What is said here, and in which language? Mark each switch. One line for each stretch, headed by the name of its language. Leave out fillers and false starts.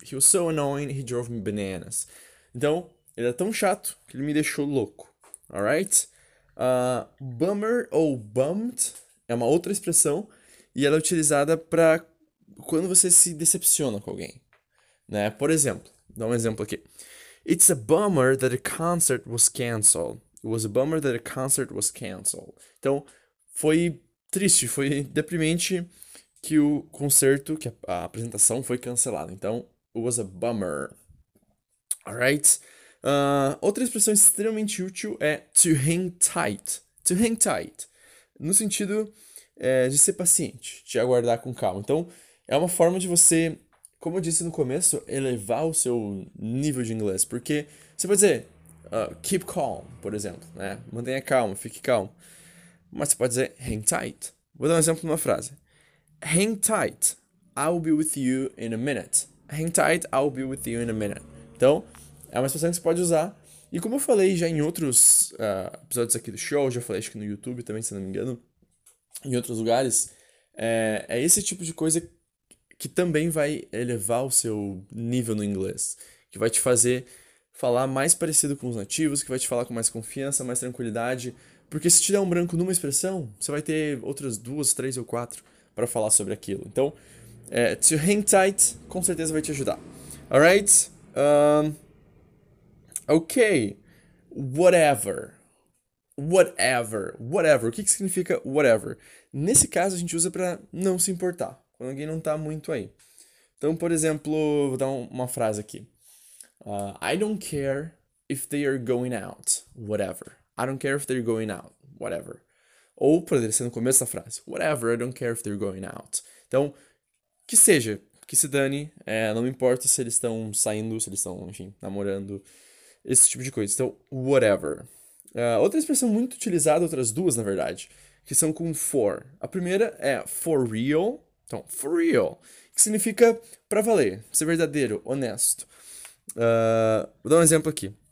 English: He was so annoying, he drove me bananas.
Portuguese: Então, ele é tão chato que ele me deixou louco.
English: Alright?
Portuguese: Bummer ou bummed é uma outra expressão e ela é utilizada para quando você se decepciona com alguém. Né? Por exemplo, vou dar um exemplo aqui.
English: It's a bummer that a concert was canceled. It was a bummer that a concert was canceled.
Portuguese: Então, foi triste, foi deprimente que o concerto, que a apresentação foi cancelada. Então,
English: it was a bummer. Alright?
Portuguese: Outra expressão extremamente útil é
English: to hang tight. To hang tight.
Portuguese: No sentido de ser paciente, de aguardar com calma. Então, é uma forma de você. Como eu disse no começo, elevar o seu nível de inglês. Porque você pode dizer, keep calm, por exemplo, né? Mantenha calma, fique calmo. Mas você pode dizer,
English: hang tight.
Portuguese: Vou dar um exemplo de uma frase.
English: Hang tight, I'll be with you in a minute. Hang tight, I'll be with you in a minute.
Portuguese: Então, é uma expressão que você pode usar. E como eu falei já em outros episódios aqui do show, já falei acho que no YouTube também, se não me engano, em outros lugares, é esse tipo de coisa que também vai elevar o seu nível no inglês, que vai te fazer falar mais parecido com os nativos, que vai te falar com mais confiança, mais tranquilidade, porque se tiver um branco numa expressão, você vai ter outras duas, três ou quatro para falar sobre aquilo. Então, to hang tight com certeza vai te ajudar.
English: Alright? Ok. Whatever. Whatever. Whatever.
Portuguese: O que que significa whatever? Nesse caso, a gente usa para não se importar. Quando alguém não tá muito aí. Então, por exemplo, vou dar uma frase aqui.
English: I don't care if they are going out. Whatever. I don't care if they're going out. Whatever.
Portuguese: Ou, poderia ser no começo da frase.
English: Whatever, I don't care if they're going out.
Portuguese: Então, que seja, que se dane. Não me importa se eles estão saindo, se eles estão, enfim, namorando. Esse tipo de coisa. Então, whatever. Outra expressão muito utilizada, outras duas, na verdade, que são com for. A primeira é for real. Então, for real, que significa pra valer, ser verdadeiro, honesto. Vou dar um exemplo aqui.